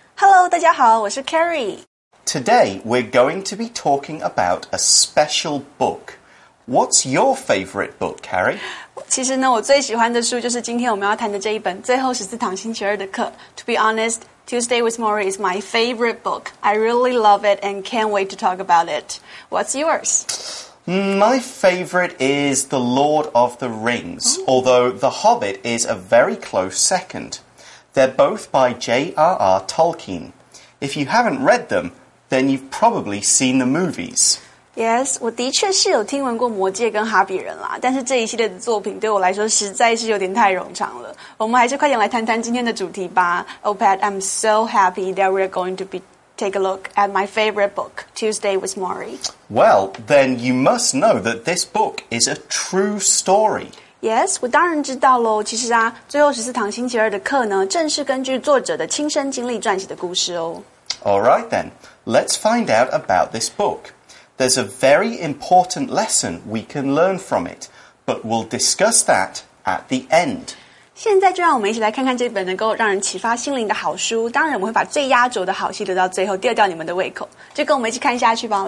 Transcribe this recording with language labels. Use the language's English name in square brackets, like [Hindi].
[Chinese] Hello, 大家好，我是 Carrie. [English] Today, we're going to be talking about a special book. What's your favorite book, Carrie? [Chinese] 其实呢，我最喜欢的书就是今天我们要谈的这一本《最后十四堂星期二的课》。 [English] To be honest, Tuesday with Morrie is my favorite book. I really love it and can't wait to talk about it. What's yours? My favorite is The Lord of the Rings, although The Hobbit is a very close second. They're both by J.R.R. Tolkien. If you haven't read them, then you've probably seen the movies. [Chinese] Yes, 我的确是有听闻过《魔戒》跟《哈比人》啦，但是这一系列的作品对我来说实在是有点太冗长了。我们还是快点来谈谈今天的主题吧。 [English] Oh, Pat, I'm so happy that we're going to take a look at my favorite book, Tuesday with Morrie. Well, then you must know that this book is a true story. [Chinese] Yes, 我当然知道咯。其实啊，最后十四堂星期二的课呢，正是根据作者的亲身经历撰写的故事哦。 [English] All right then, let's find out about this book. There's a very important lesson we can learn from it, but we'll discuss that at the end. [Chinese] 现在就让我们一起来看看这本能够让人启发心灵的好书。当然，我们会把最压轴的好戏留到最后，吊吊你们的胃口。就跟我们一起看下去吧。